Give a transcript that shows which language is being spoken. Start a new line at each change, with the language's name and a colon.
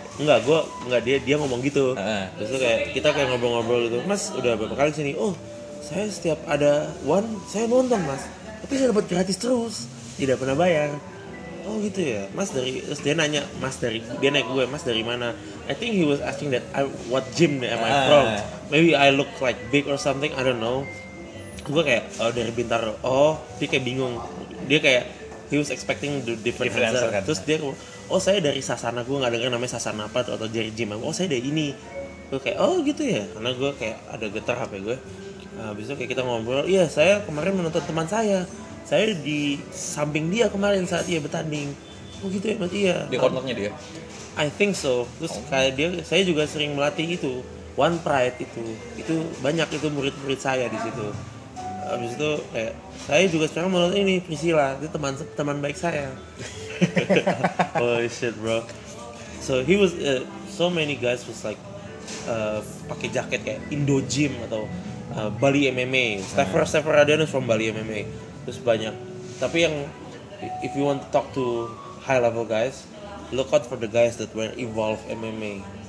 Indonesian: Enggak, dia ngomong gitu. Terus kayak kita kayak ngobrol-ngobrol gitu. Mas udah berapa kali sini? Oh, saya setiap ada one saya nonton, Mas. Tapi saya dapat gratis terus, tidak pernah bayar. Oh, gitu ya. Mas dari, terus dia nanya, "Mas dari dia naik gue, Mas dari mana?"
English: I think he was asking that what gym am I from? Maybe I look like big or something, I don't know.
Indonesian: Gue kayak dari Bintaro. Oh, dia kayak bingung. Dia kayak
English: he was expecting the different answer.
Indonesian: Kan? Terus dia, "Oh, saya dari Sasana." Gue enggak dengar namanya Sasana apa atau dari gym. "Oh, saya dari ini." Gue kayak, "Oh, gitu ya." Karena gue kayak ada getar HP gue. Habis itu kayak kita ngobrol, "Iya, saya kemarin menonton teman saya. Saya di samping dia kemarin saat dia bertanding." "Oh, gitu ya, Mas." "Iya." Di kontaknya dia.
English: I think so.
Indonesian: Terus kayak dia, saya juga sering melatih itu, One Pride itu. Itu banyak itu murid-murid saya di situ. Abis itu kayak saya juga sekarang melihat ini Priscilla, itu teman baik saya.
English: Holy shit, bro. So he was so many guys was like
Indonesian: pakai jaket kayak Indo Gym atau Bali MMA.
English: Stafford Radonis from Bali MMA.
Indonesian: Terus banyak. Tapi yang
English: if you want to talk to high level guys, look out for the guys that wear Evolve MMA.